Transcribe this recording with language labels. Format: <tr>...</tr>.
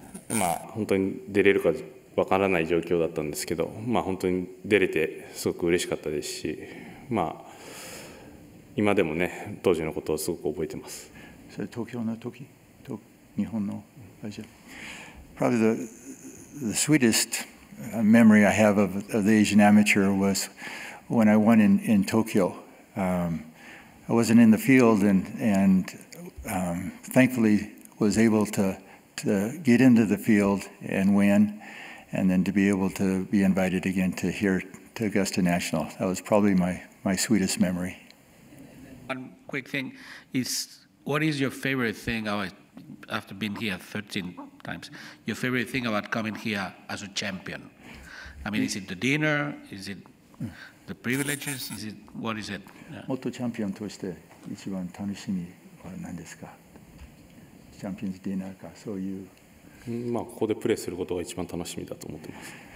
<ja>まあ、本当に出れるか分からない状況だったんですけど、まあ、本当に出れてすごく嬉しかったですし、まあ、今でもね、当時のことをすごく覚えてます。それ東京の時、日本のアジア。</ja> <en>Probably the sweetestA memory I have of the Asian Amateur was when I won in Tokyo. I wasn't in the field and thankfully was able to get into the field and win, and then to be able to be invited again to here to Augusta National. That was probably my sweetest memory. One quick thing is, what is your favorite thing after being here 13 times? Your favorite thing about coming here as a champion? I mean, is it the dinner? Is it the privileges? Is it, what is it?</en> <ja>元チャンピオンとして一番楽しみは何ですか？チャンピオンズディナーか、そういう。まあ、ここでプレーすることが一番楽しみだと思ってます。</ja>